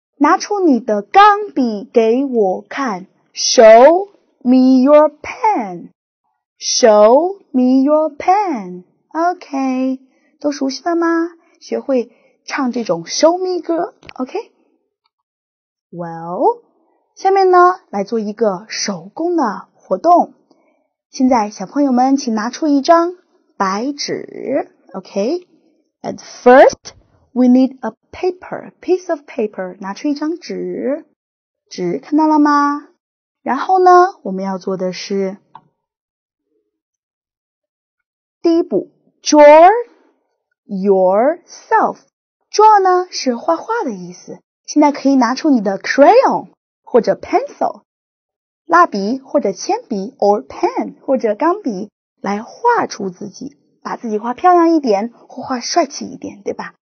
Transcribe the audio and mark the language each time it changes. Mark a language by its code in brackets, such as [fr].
[zh] 拿出你的钢笔给我看 , [en] show me your pen,show me your pen, [zh] OK,、okay, 都熟悉了吗？学会唱这种 show me 歌 ,OK?Well,、okay? 下面呢来做一个手工的活动。现在小朋友们请拿出一张白纸 ,OK?At、okay? [en] first,We need a paper, piece of paper, [zh] 拿出一张纸，纸看到了吗？然后呢，我们要做的是第一步 , [en] draw yourself, [zh] draw 呢是画画的意思，现在可以拿出你的 crayon, 或者 pencil, 蜡笔或者铅笔 or pen, 或者钢笔来画出自己，把自己画漂亮一点或画帅气一点，对吧？